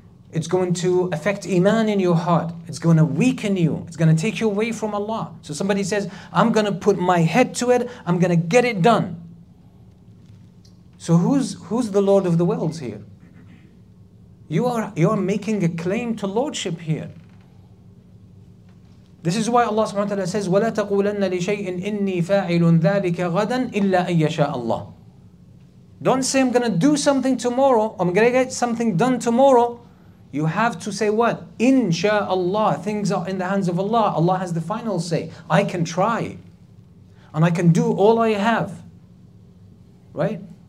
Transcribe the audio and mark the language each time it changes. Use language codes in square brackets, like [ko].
[en] It's going to affect iman in your heart. It's going to weaken you. It's going to take you away from Allah. So somebody says, I'm going to put my head to it. I'm going to get it done. So who's the Lord of the worlds here? You are making a claim to lordship here. This is why Allah subhanahu wa ta'ala says, [ar] وَلَا تَقُولَنَّ لِشَيْءٍ إِنِّي فَاعِلٌ ذَلِكَ غَدًا إِلَّا أَن يَشَاءَ اللَّهِ. [en] Don't say, I'm going to do something tomorrow. I'm going to get something done tomorrow. You have to say what? Inshallah. Things are in the hands of Allah. Allah has the final say. I can try. And I can do all I have. Right?